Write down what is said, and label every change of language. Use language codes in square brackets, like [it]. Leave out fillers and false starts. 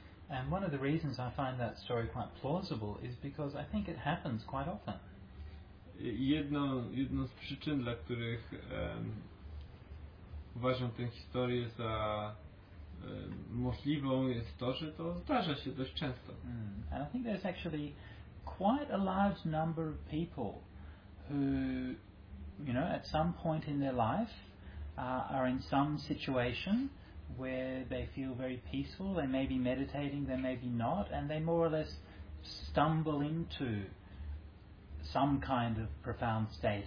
[en] And one of the reasons I find that story quite plausible is because I think it happens quite often. [pl] Jedną z przyczyn, dla których uważam tę historię za możliwą, jest to, że to zdarza się dość często. [en] And I think there's actually quite a large number of people who, you know, at some point in their life are in some situation where they feel very peaceful. They may be meditating, they may be not, and they more or less stumble into some kind of profound state.